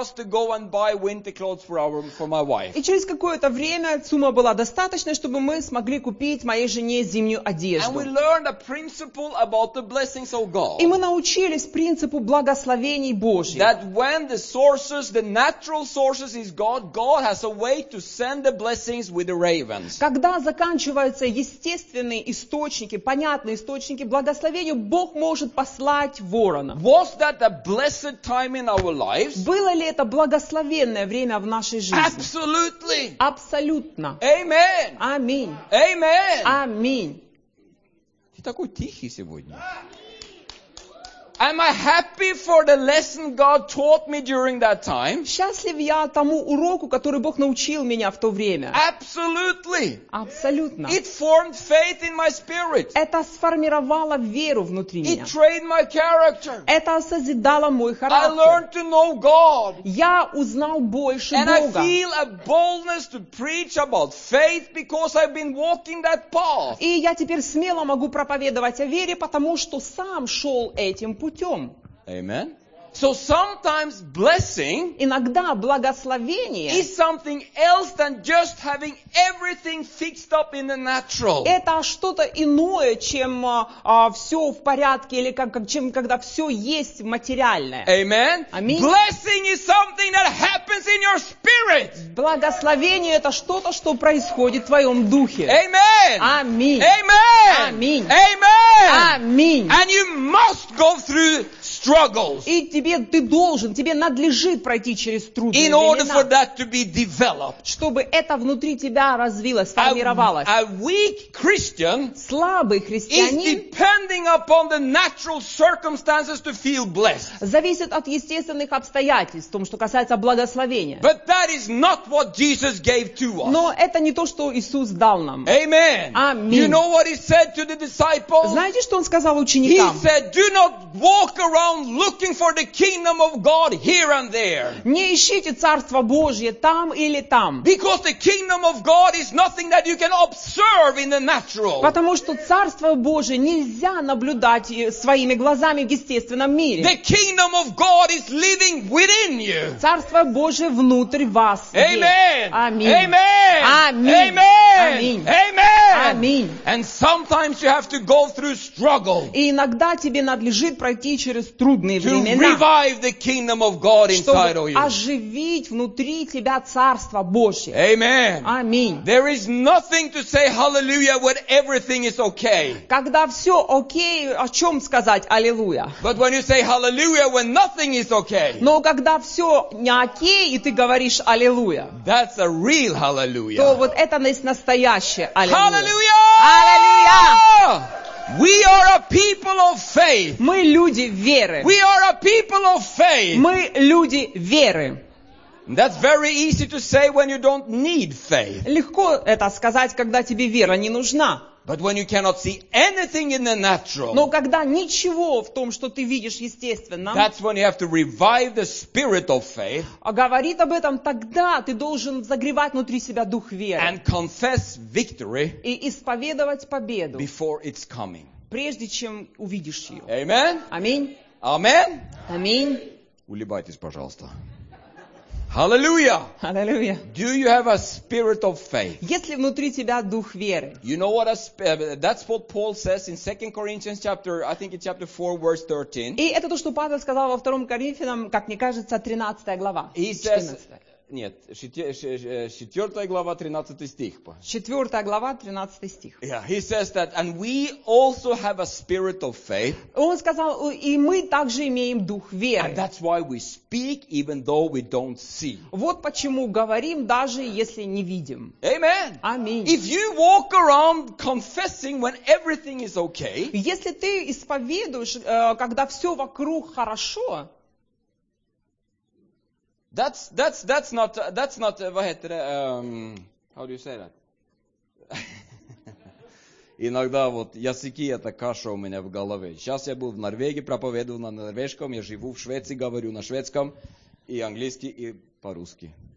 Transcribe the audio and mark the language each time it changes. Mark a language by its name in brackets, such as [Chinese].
[Russian] И через какое-то время сумма была достаточной, чтобы мы смогли купить моей жене зимнюю одежду. [English] And we learned a principle about the blessings of God. [Russian] И мы научились принципу благословений Божьих. [English] That when the sources, the natural sources is God, God has a way to send the blessings with the ravens. [Russian] Когда заканчиваются естественные источники, понятные источники благословений, Бог может послать ворона. [English] Was that a blessed time in our lives? [Russian] Было ли это благословенное время в нашей жизни? [English] Absolutely. [Russian] Абсолютно. [English] Amen. [Russian] Аминь. [English] Amen. [Russian] Аминь. Ты такой тихий сегодня. [English] Am I happy for the lesson God taught me during that time? [Russian] Счастлив я тому уроку, который Бог научил меня в то время. [English] Absolutely. [Russian] Абсолютно. [English] It formed faith in my spirit. [Russian] Это сформировало веру внутри меня. [English] It trained my character. [Russian] Это созидало мой характер. [English] I learned to know God. [Russian] Я узнал больше [English] And [Russian] Бога. [English] And I feel a boldness to preach about faith because I've been walking that path. [Russian] И я теперь смело могу проповедовать о вере, потому что сам шел этим путем. [English] Amen. So sometimes blessing, [Russian] иногда благословение, [English] is something else than just having everything fixed up in the natural. [Russian] Это что-то иное, чем все в порядке или чем когда все есть материальное. [English] Amen. [Russian] Аминь. [English] Blessing is something that happens in your spirit. [Russian] Благословение это что-то, что происходит в твоем духе. [English] Amen. [Russian] Аминь. [English] Amen. [Russian] Аминь. [English] Amen. [Russian] Аминь. [English] And you must go through struggles. [Russian] Тебе надлежит пройти через трудные времена, чтобы это внутри тебя развилось, сформировалось. [English] A weak Christian [Russian] слабый христианин [English] is depending upon the natural circumstances to feel blessed. [Russian] Зависит от естественных обстоятельств, в том, что касается благословения. [English] But that is not what Jesus gave to us. [Russian] Но это не то, что Иисус дал нам. [English] Amen. [Russian] Аминь. [English] You know what he said to the disciples? [Russian] Знаете, что он сказал ученикам? [English] He said, "Do not walk around around looking for the kingdom of God here and there. [Russian] Не ищите царство Божье там или там. [English] Because the kingdom of God is nothing that you can observe in the natural. [Russian] Потому что царство Божье нельзя наблюдать своими глазами в естественном мире. [English] The kingdom of God is living within you. [Russian] Царство Божье внутрь вас. [English] Amen. [Russian] Аминь. [English] Amen. [Russian] Аминь. [English] Amen. [Russian] Аминь. Аминь. [English] And sometimes you have to go through struggle. [Russian] И иногда тебе надлежит пройти через трудные времена. [English] To revive the kingdom of God inside of you. [Russian] Чтобы оживить внутри тебя царство Божье. [English] Amen. [Russian] Аминь. [English] There is nothing to say hallelujah when everything is okay. [Russian] Когда все окей, о чем сказать аллилуйя? [English] But when you say hallelujah when nothing is okay. [Russian] Но когда все не окей и ты говоришь аллилуйя. [English] That's a real hallelujah. [Russian] То вот это настоящее аллилуйя. [English] Hallelujah! [Russian] Аллилуйя! [English] We are a people of faith. [Russian] Мы люди веры. [English] We are a people of faith. [Russian] Мы люди веры. [English] That's very easy to say when you don't need faith. [Russian] Легко это сказать, когда тебе вера не нужна. [English] But when you cannot see anything in the natural. [Russian] Но когда ничего в том, что ты видишь естественно. [English] That's when you have to revive the spirit of faith. [Russian] А говорит об этом тогда ты должен загревать внутри себя дух веры. [English] And confess victory. [Russian] И исповедовать победу. [English] Before it's coming. [Russian] Прежде чем увидишь ее. [English] Amen. [Russian] Аминь. [English] Amen. [Russian] Аминь. Улыбайтесь, пожалуйста. [English] Hallelujah. Hallelujah. Do you have a spirit of faith? [Russian] Если внутри тебя дух веры. [English] You know what that's what Paul says in 2 Corinthians chapter, I think it's chapter 4 verse 13. [Russian] И это то, что Павел сказал во 2 Коринфянам, как мне кажется, 13 глава. [English] He says, [Russian] нет, 4 глава, 13 стих. 4 глава, 13 стих. [English] Yeah, he says that, and we also have a spirit of faith. [Russian] Он сказал, и мы также имеем дух веры. [English] And that's why we speak, even though we don't see. [Russian] Вот почему говорим, даже если не видим. [English] Amen. [Russian] Аминь. [English] If you walk around confessing when everything is okay, [Russian] если ты исповедуешь, когда все вокруг хорошо, [English] That's not, how do you say that? [Russian] Иногда вот языки это каша у меня в голове. Сейчас я был в Норвегии, проповедовал на норвежском, я живу в Швеции, говорю на шведском, и английски, и по-русски.